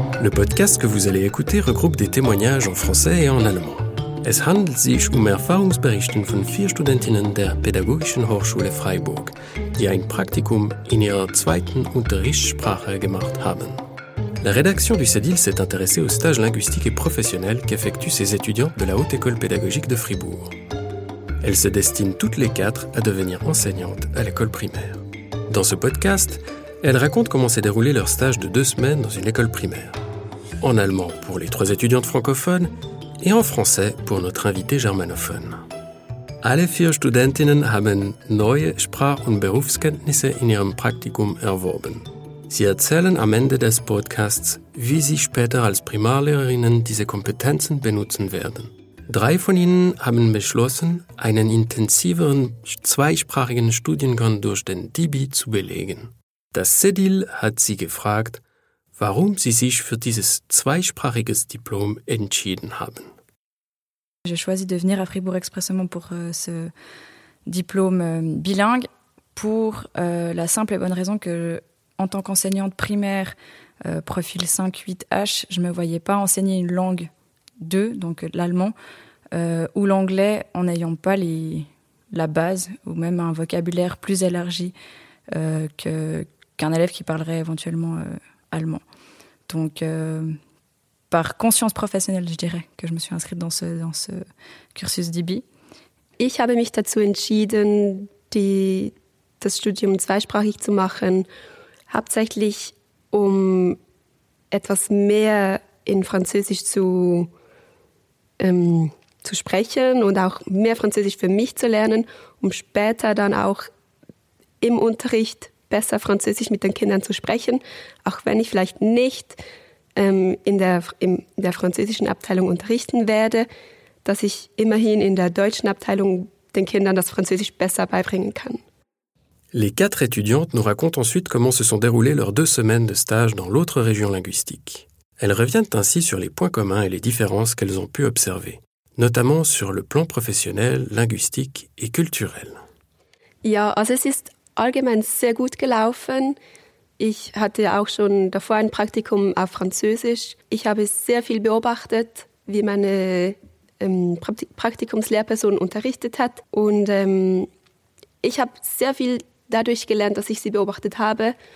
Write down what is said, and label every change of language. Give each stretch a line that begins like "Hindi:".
French: podcast que vous allez écouter regroupe des témoignages en français et en allemand.
German: Es handelt sich um Erfahrungsberichten von vier Studentinnen der Pädagogischen Hochschule Freiburg, die ein Praktikum in ihrer zweiten Unterrichtssprache gemacht haben.
French: La rédaction du CEDIL s'est intéressée aux stages linguistiques et professionnels qu'effectuent ces étudiants de la Haute École Pédagogique de Fribourg. Elles se destinent toutes les quatre à devenir enseignantes à l'école primaire. Dans ce podcast, elles racontent comment s'est déroulé leur stage de 2 semaines dans une école primaire. En allemand pour les 3 étudiantes francophones et en français pour notre invité germanophone.
German: Alle 4 Studentinnen haben neue Sprach- und Berufskenntnisse in ihrem Praktikum erworben. Sie erzählen am Ende des Podcasts, wie sie später als Primarlehrerinnen diese Kompetenzen benutzen werden. 3 von ihnen haben beschlossen, einen intensiveren zweisprachigen Studiengang durch den DIBI zu belegen. Das CEDIL hat sie gefragt, warum sie sich für dieses zweisprachige Diplom entschieden haben.
French: J'ai choisi de venir à Fribourg expressément pour ce diplôme bilingue pour la simple et bonne raison que en tant qu'enseignante primaire profil 5-8H, je me voyais pas enseigner une langue 2, donc l'allemand ou l'anglais en n'ayant pas la base ou même un vocabulaire plus élargi qu'un élève qui parlerait éventuellement allemand. Donc, par conscience professionnelle, je dirais, que je me suis inscrite dans ce cursus DIBI.
German: Ich habe mich dazu entschieden, das Studium zweisprachig zu machen, hauptsächlich um etwas mehr in Französisch zu sprechen und auch mehr Französisch für mich zu lernen, um später dann auch im Unterricht besser Französisch mit den Kindern zu sprechen, auch wenn ich vielleicht nicht in der französischen Abteilung unterrichten werde, dass ich immerhin in der deutschen Abteilung den Kindern das Französisch besser beibringen kann.
French: Les 4 étudiantes nous racontent ensuite comment se sont déroulées leurs 2 semaines de stage dans l'autre région linguistique. Elles reviennent ainsi sur les points communs et les différences qu'elles ont pu observer, notamment sur le plan professionnel, linguistique et culturel.
German: Ja, also es ist allgemein sehr gut gelaufen. Ich hatte auch schon davor ein Praktikum auf Französisch. Ich habe sehr viel beobachtet, wie meine Praktikumslehrperson unterrichtet hat. Und ich habe sehr viel dadurch gelernt, dass ich sie beobachtet habe.